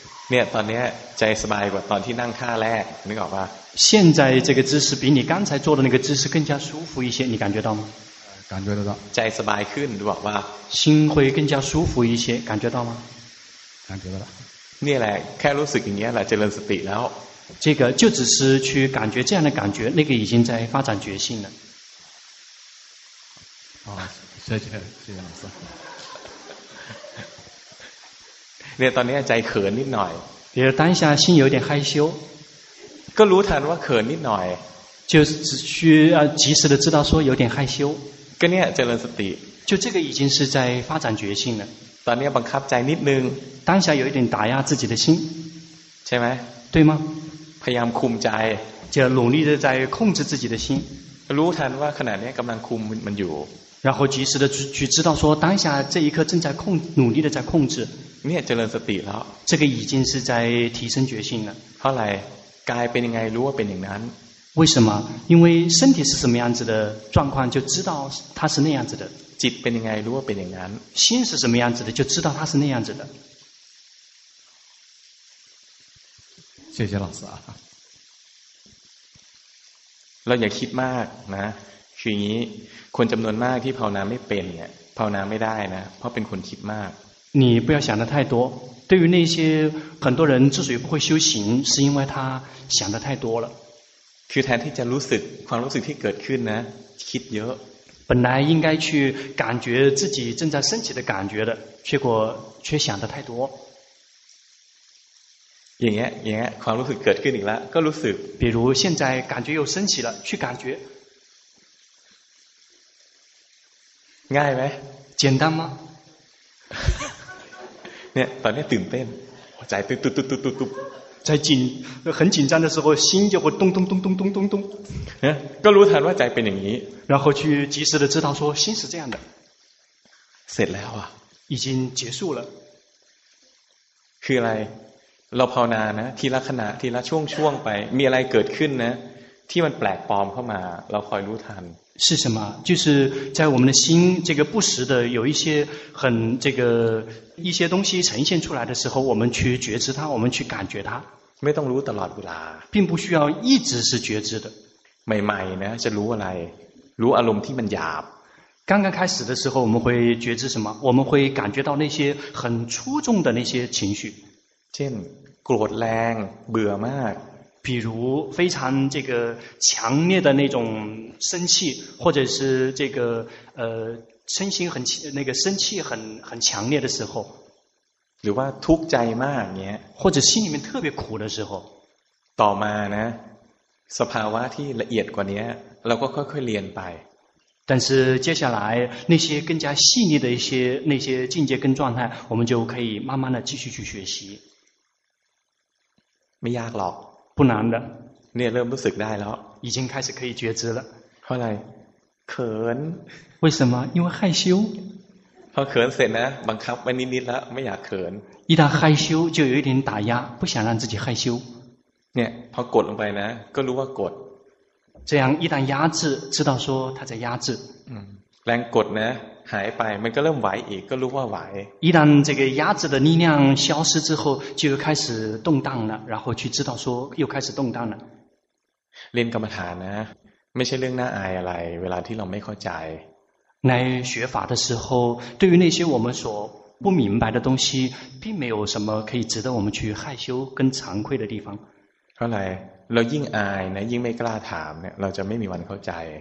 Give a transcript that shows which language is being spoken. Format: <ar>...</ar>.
<th>เนี่ยตอนนี้ใจสบายกว่าตอนที่นั่งท่าแรกนึกออกปะ</th> <zh>现在这个姿势比你刚才坐的那个姿势更加舒服一些你感觉到吗感觉得到</zh> <th>ใจสบายขึ้นหรือบอกว่า</th> <zh>心会更加舒服一些感觉到吗感觉得到</zh> <th>นี่แหละแค่รู้สึกอย่างนี้แหละเจริญสติแล้ว</th> <zh>这个就只是去感觉这样的感觉那个已经在发展觉性了谢谢老师</zh> <th>เนี่ยตอนนี้ใจเขินนิดหน่อย</th> <zh>比如当下心有点害羞</zh> <th>ก็รู้ทันว่าเขินนิดหน่อย</th> <zh>就只需及时的知道说有点害羞</zh> <th>ก็เนี่ยเจริญสติ</th> <zh>就这个已经是在发展觉性了</zh> <th>ตอนนี้บังคับใจนิดนึง</th> <zh>当下有一点打压自己的心</zh> <th>ใช่ไหม</th> <zh>对吗</zh> <th>พยายามคุมใจ</th> <zh>就努力的在控制自己的心</zh> <th>รู้ทันว่าขณะนี้กำลังคุมมันอยู่</th> <zh>然后及时的去知道说当下这一刻正在努力的在控制你也</zh> <th>เจริญสติแล้ว</th> <zh>这个已经是在提升决心了</zh> <th>เพราะอะไรกายเป็นยังไงรู้ว่าเป็นอย่างนั้น</th> <zh>为什么因为身体是什么样子的状况就知道它是那样子的</zh> <th>จิตเป็นยังไงรู้ว่าเป็นอย่างนั้น</th> <zh>心是什么样子的就知道它是那样子的谢谢老师啊</zh> <th>เราอย่าคิดมากนะคืออย่างนี้คนจำนวนมากที่ภาวนาไม่เป็นเนี่ยภาวนาไม่ได้นะเพราะเป็นคนคิดมาก</th> <zh>你不要想得太多对于那些很多人之所以不会修行是因为他想得太多了</zh> <th>คือแทนที่จะรู้สึกความรู้สึกที่เกิดขึ้นนะคิดเยอะ</th> <zh>本来应该去感觉自己正在升起的感觉的结果却想得太多</zh> <th>อย่างเงี้ยความรู้สึกเกิดขึ้นอีกแล้วก็รู้สึก</th> <zh>比如现在感觉又升起了去感觉</zh> <th>ง่ายไหม</th> <zh>简单吗</zh> <th>เนี่ยตอนนี้ตื่นเต้นใจตุ</th> <zh>在紧很紧张的时候心就会咚咚咚咚咚咚咚</zh> <th>ก็รู้ทันว่าใจเป็นอย่างนี้</th> <zh>然后去及时的知道说心是这样的</zh> <th>เสร็จแล้วอ่ะ</th> <zh>已经结束了</zh> <th>คืออะไรเราภาวนานะทีละขณะทีละช่วงไปมีอะไรเกิดขึ้นนะที่มันแปลกปลอมเข้ามาเราคอยรู้ทัน</th> <zh>是什么就是在我们的心这个不时的有一些很这个一些东西呈现出来的时候我们去觉知它我们去感觉它</zh> <th>ไม่ต้องรู้ตลอดเวลา</th> <zh>并不需要一直是觉知的</zh> <th>ใหม่ๆนะจะรู้อะไรรู้อารมณ์ที่มันหยาบ</th> <zh>刚刚开始的时候我们会觉知什么我们会感觉到那些很粗重的那些情绪</zh> <th>เช่นโกรธแรงเบื่อมาก</th> <zh>比如非常这个强烈的那种生气或者是这个身心很那个生气很强烈的时候</zh> <th>หรือว่าทุกข์ใจมากอย่างเงี้ย</th> <zh>或者心里面特别苦的时候</zh> <th>ต่อมานะสภาวะที่ละเอียดกว่านี้เราก็ค่อยๆเรียนไป</th> <zh>但是接下来那些更加细腻的一些那些境界跟状态我们就可以慢慢的继续去学习</zh> <th>ไม่ยากหรอก พูดนานแล้ วเนี่ยเริ่มรู้สึกได้แล้ว</th> <zh>已经开始可以觉知了</zh> <th>เพราะอะไรเขิน</th> <zh>为什么因为害羞</zh> <th>พอเขินเสร็จนะบังคับไว้นิดๆแล้วไม่อยากเขิน</th> <zh>一旦害羞就有一点打压不想让自己害羞</zh> <th>เนี่ยพอกดลงไปนะก็รู้ว่ากด</th> <zh>这样一旦压制知道说他在压制</zh> <th>แรงกดนะหายไปมันก็เริ่มไหวอีกก็รู้ว่าไหว</th> <zh>一旦这个压制的力量消失之后就又开始动荡了然后去知道说又开始动荡了</zh> <th>เรียนกรรมฐานนะไม่ใช่เรื่องน่าอายอะไรเวลาที่เราไม่เข้าใจ</th> <zh>来学法的时候对于那些我们所不明白的东西并没有什么可以值得我们去害羞跟惭愧的地方</zh> <th>เพราะอะไรเรายิ่งอายนะยิ่งไม่กล้าถามเนี่ยเราจะไม่มีวันเข้าใจ</th>